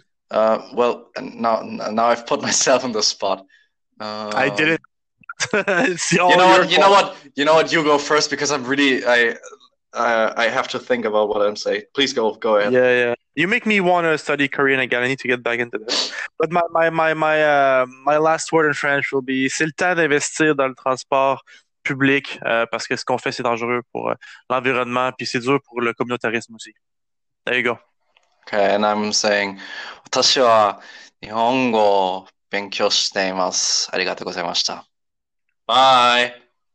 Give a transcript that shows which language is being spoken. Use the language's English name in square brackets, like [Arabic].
[English] Well, now I've put myself on the spot. I did it. You know what? You go first because I'm really... I have to think about what I'm saying. Please go ahead. Yeah. You make me want to study Korean again. I need to get back into this. But my last word in French will be [French] c'est le temps d'investir dans le transport public parce que ce qu'on fait c'est dangereux pour l'environnement puis c'est dur pour le communautarisme aussi. [English] There you go. Okay, and I'm saying [Japanese] 私は日本語を勉強しています。ありがとうございました。 [English] Bye.